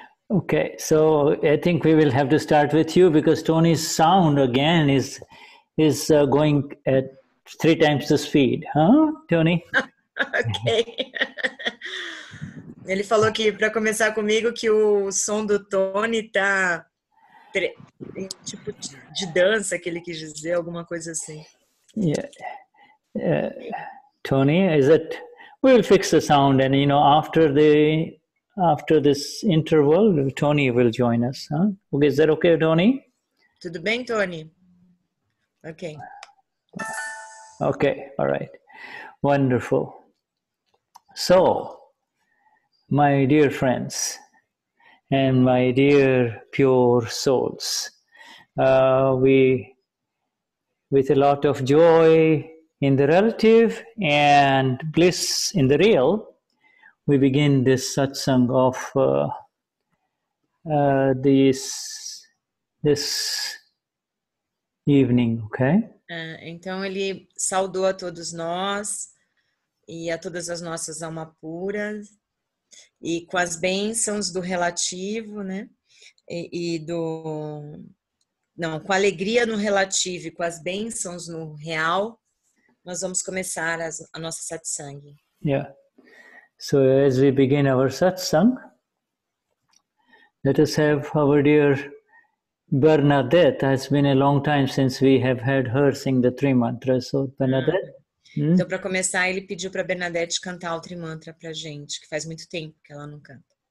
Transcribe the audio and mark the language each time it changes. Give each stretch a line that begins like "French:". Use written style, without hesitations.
English: Okay, so I think we will have to start with you because Tony's sound again is going at three times the speed. Huh, Tony? Okay.
Portuguese: Ele falou que para começar comigo que o som do Tony tá tipo de dança que ele quis dizer, alguma coisa assim.
English: Yeah. Tony, is it? We'll fix the sound, and you know, after this interval, Tony will join us. Huh? Okay, is that okay, Tony?
Portuguese: Tudo bem, Tony. Okay.
English: Okay. All right. Wonderful. So, my dear friends and my dear pure souls, with a lot of joy in the relative and bliss in the real, we begin this satsang of this evening, okay?
Portuguese: Então ele saudou a todos nós e a todas as nossas almas puras. E com as bênçãos do relativo, né? Com a alegria no relativo e com as bênçãos no real, nós vamos começar a nossa satsang.
English: Yeah. So as we begin our satsang, let us have our dear Bernadette. It's been a long time since we have had her sing the three mantras. So Bernadette. Uh-huh.
Portuguese: Então, para começar, ele pediu para Bernadette cantar o trimantra para a gente, que faz muito tempo que ela não canta.